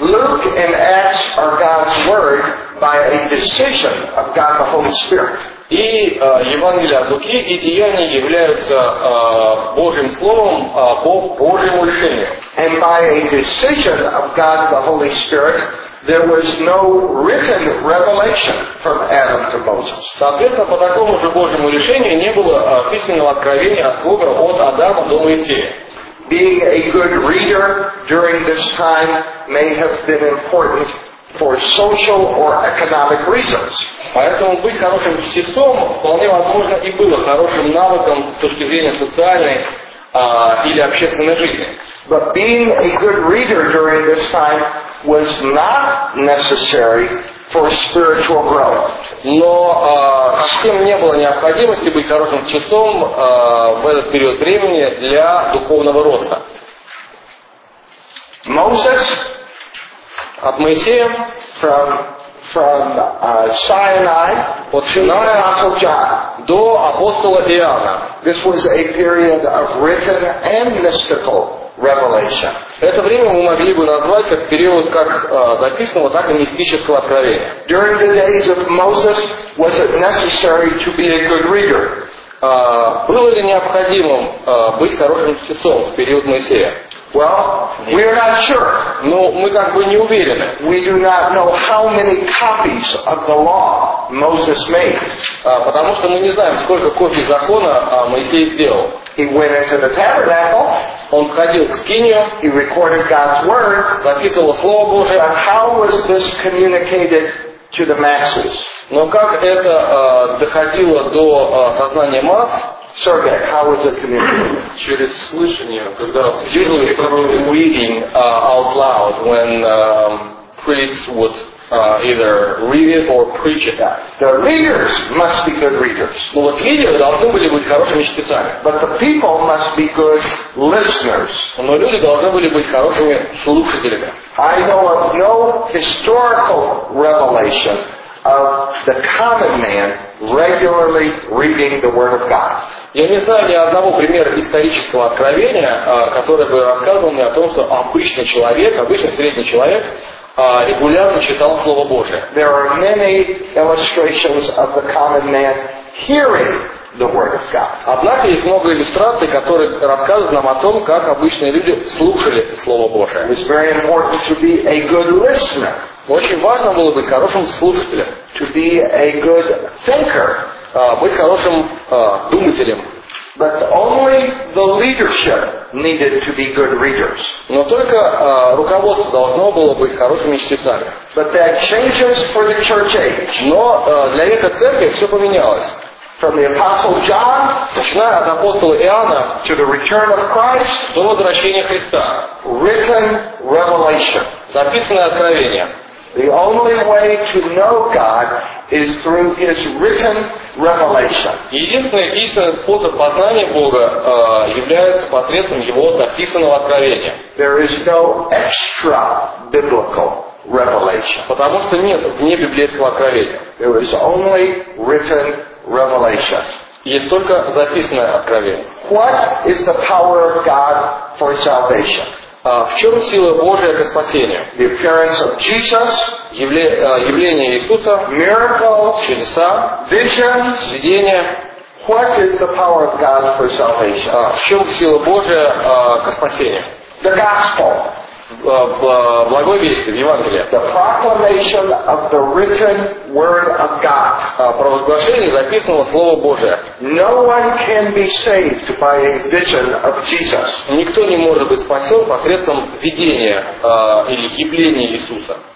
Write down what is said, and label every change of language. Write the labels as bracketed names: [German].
[English] Luke and Acts are God's word by a decision of God the Holy Spirit. [Russian] И Евангелие от Луки и Деяния являются Божьим словом по Божьему решению. [English] And by a decision of God the Holy Spirit, there was no written revelation from Adam to Moses. [Russian] Соответственно, по такому же Божьему решению не было письменного откровения от Бога от Адама до Моисея. [English] Being a good reader during this time may have been important for social or economic reasons. [Russian] Поэтому быть хорошим чтецом вполне возможно и было хорошим навыком с точки зрения социальной или общественной жизни. [English] But being a good reader during this time was not necessary for spiritual growth. [Russian] Но совсем не было необходимости быть хорошим чтецом в этот период времени для духовного роста. [English] Moses, [Russian] от Моисея, [English] Sinai, [Russian] от Синая, до апостола Иоанна. [English] This was a period of written and mystical revelation. [Russian] Это время мы могли бы назвать как период как записанного, так и мистического откровения. [English] During the days of Moses, was it necessary to be a good reader? [Russian] Было ли необходимым быть хорошим чтецом в период Моисея? [English] Well, we are not sure. [Russian] Ну, мы как бы не уверены. [English] We do not know how many copies of the law Moses made. [Russian] Потому что мы не знаем, сколько копий закона Моисей сделал. [English] He went into the tabernacle. [Russian] Он входил в скинию. [English] He recorded God's word. [Russian] Записывал слово Божие. [English] But how was this communicated to the masses? [Russian] Но как это доходило до сознания масс? [English] Sergey, how is it communicated? [Russian] Через слышание, когда [English] usually through reading out loud when priests would either read it or preach it. The leaders must be good readers. [Russian] Ну вот лидеры должны были быть хорошими читателями. [English] But the people must be good listeners. [Russian] Но люди должны были быть хорошими слушателями. [English] I know of no historical revelation of the common man regularly reading the Word of God. [Russian] Я не знаю ни одного примера исторического откровения, который бы рассказывал мне о том, что обычный человек, обычный средний человек, регулярно читал Слово Божие. [English] There are many illustrations of the common man hearing the Word of God. [Russian] Однако есть много иллюстраций, которые рассказывают нам о том, как обычные люди слушали Слово Божие. [English] It's very important to be a good listener. [Russian] Очень важно было быть хорошим слушателем. [English] To be a good thinker. [Russian] Быть хорошим думателем. [English] But only the leadership needed to be good readers. [Russian] Но только руководство должно было быть хорошими чтецами. [English] But that changes for the church age. [Russian] Но для века церкви все поменялось. [English] From the apostle John, [Russian] начиная от апостола Иоанна, [English] to the return of Christ, [Russian] до возвращения Христа, [English] written revelation, [Russian] записанное откровение. [English] The only way to know God is through His written revelation. [Russian] Единственный истинный способ познания Бога является посредством Его записанного откровения. [English] There is no extra biblical revelation. [Russian] Потому что нет вне библейского откровения. [English] There is only written revelation. [Russian] Есть только записанное откровение. [English] What is the power of God for salvation? [Russian] В чем сила Божия ко спасению? [English] The appearance of Jesus, [Russian] явление Иисуса, [English] miracles, [Russian] чудеса, [English] visions, [Russian] видения. [English] What is the power of God for salvation? [Russian] В чем сила Божия ко спасению? [English] The gospel, [Russian] в благой вести, в Евангелии. [English] The proclamation of the written word of God. [Russian] Провозглашение записанного Слова Божия. [English] No one can be saved by a vision of Jesus. [Russian] Никто не может быть спасен посредством видения или явления Иисуса.